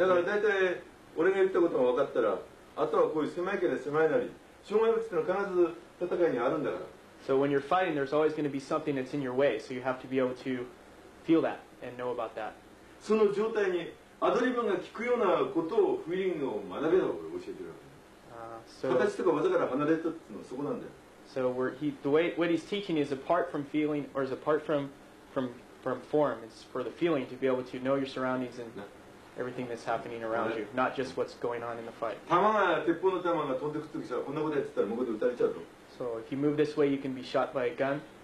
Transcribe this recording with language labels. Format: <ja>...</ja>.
<ja>だから大体俺が言ったことが分かったら、あとはこういう狭いけど狭いなり、障害物ってのは必ず戦いにあるんだから。</ja> <en>So when you're fighting, there's always going to be something that's in your way, so you have to be able to feel that and know about that.</en> <ja>その状態にアドリブが効くようなことをフィーリングを学べと教えてるわけ。形とか技から離れたっていうのはそこなんだよ。</ja> <en>So what he's teaching is apart from feeling, or is apart from form, it's for the feeling to be able to know your surroundings and everything that's happening around you, not just what's going on in the fight. So if you move this way, you can be shot by a gun.</en>